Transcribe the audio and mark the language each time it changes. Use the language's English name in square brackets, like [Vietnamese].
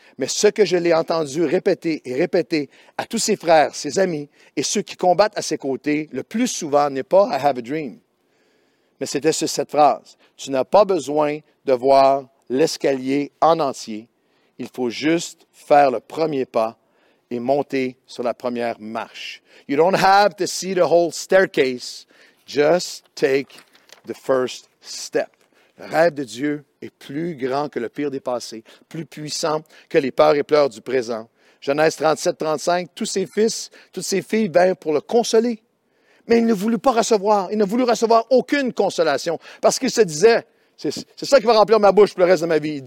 [French] Mais ce que je l'ai entendu répéter et répéter à tous ses frères, ses amis et ceux qui combattent à ses côtés, le plus souvent n'est pas « [English] I have a dream », [French] mais c'était sur cette phrase. Tu n'as pas besoin de voir l'escalier en entier. Il faut juste faire le premier pas et monter sur la première marche. [English] You don't have to see the whole staircase. Just take the first step. [French] Le rêve de Dieu est plus grand que le pire des passés, plus puissant que les peurs et pleurs du présent. Genèse 37, 35, tous ses fils, toutes ses filles vinrent pour le consoler. Mais il ne voulut pas recevoir, il ne voulut recevoir aucune consolation parce qu'il se disait, c'est ça qui va remplir ma bouche pour le reste de ma vie.